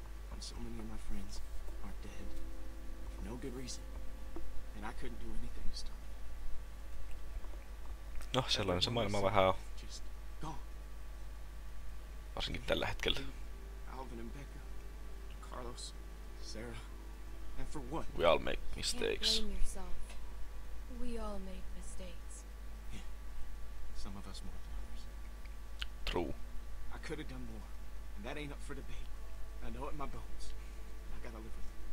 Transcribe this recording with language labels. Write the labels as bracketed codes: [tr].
[en] When so many of my friends are dead, for no good reason, and I couldn't do anything to stop it. [fi] No, sellainen se maailma vähän on. Varsinkin tällä hetkellä. [en] Alvin and Becca, Carlos, Sarah, and for what? We all make mistakes. We all make mistakes. Yeah. Some of us more than others. True. I could have done more, and that ain't up for debate. I know it in my bones, and I gotta live with it.